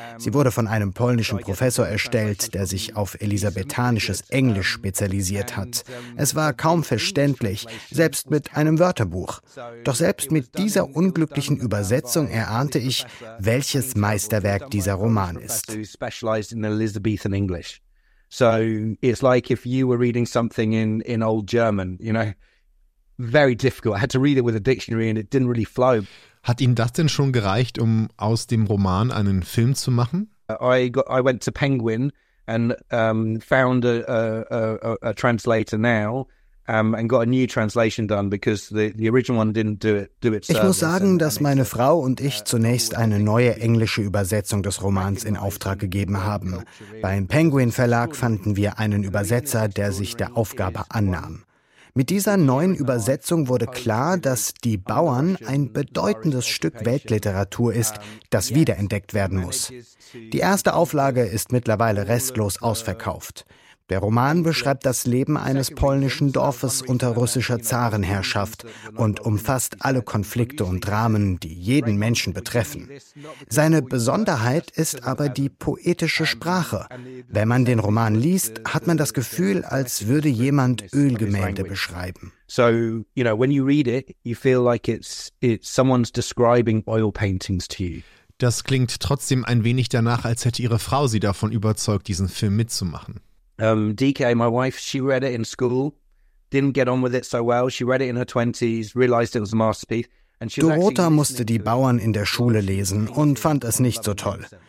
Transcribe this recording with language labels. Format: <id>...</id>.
<de>Sie wurde von einem polnischen Professor erstellt, der sich auf elisabethanisches Englisch spezialisiert hat. Es war kaum verständlich, selbst mit einem Wörterbuch. Doch selbst mit dieser unglücklichen Übersetzung erahnte ich, welches Meisterwerk dieser Roman ist.</de> <en>Specialized in Elizabethan English. So it's like if you were reading something in old German, you know, very difficult. I had to read it with a dictionary and it didn't really flow.</en> <de>Hat Ihnen das denn schon gereicht, um aus dem Roman einen Film zu machen?</de> <en>I went to Penguin and found a translator now.</en> <de>Ich muss sagen, dass meine Frau und ich zunächst eine neue englische Übersetzung des Romans in Auftrag gegeben haben. Beim Penguin Verlag fanden wir einen Übersetzer, der sich der Aufgabe annahm. Mit dieser neuen Übersetzung wurde klar, dass Die Bauern ein bedeutendes Stück Weltliteratur ist, das wiederentdeckt werden muss. Die erste Auflage ist mittlerweile restlos ausverkauft. Der Roman beschreibt das Leben eines polnischen Dorfes unter russischer Zarenherrschaft und umfasst alle Konflikte und Dramen, die jeden Menschen betreffen. Seine Besonderheit ist aber die poetische Sprache. Wenn man den Roman liest, hat man das Gefühl, als würde jemand Ölgemälde beschreiben.</de> <en>So, you know, when you read it, you feel like it's someone's describing oil paintings to you.</en> <de>Das klingt trotzdem ein wenig danach, als hätte Ihre Frau Sie davon überzeugt, diesen Film mitzumachen.</de> <en>DK, my wife, she read it in school, didn't get on with it so well. She read it in her 20s, realized it was a masterpiece.</en> <de>Dorota musste Die Bauern in der Schule lesen und fand es nicht so toll.</de>